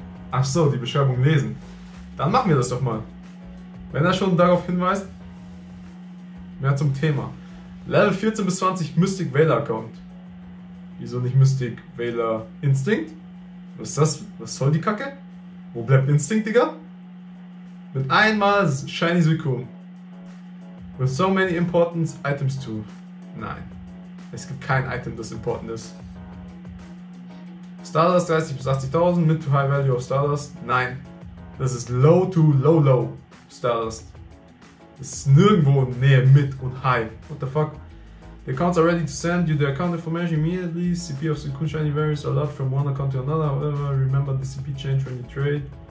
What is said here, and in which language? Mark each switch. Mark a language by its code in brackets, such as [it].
[de] Ach so, die Beschreibung lesen. Dann machen wir das doch mal. Wenn er schon darauf hinweist. Mehr zum Thema. Level 14 bis 20 Mystic Veiler Account. Wieso nicht Mystic Veiler Instinct? Was ist das? Was soll die Kacke? Wo bleibt Instinct, Digga? Mit einmal Shiny Suicune. [en] With so many important items too. [de] Nein. Es gibt kein Item, das important ist. Stardust 30 bis 80.000, [en] mid to high value of Stardust. [de] Nein, das ist low to low low Stardust. Das ist nirgendwo in Nähe mid und high. [en] What the fuck? The accounts are ready to send you the account information immediately. CP of Suicune Shiny varies a lot from one account to another. However, remember the CP change when you trade.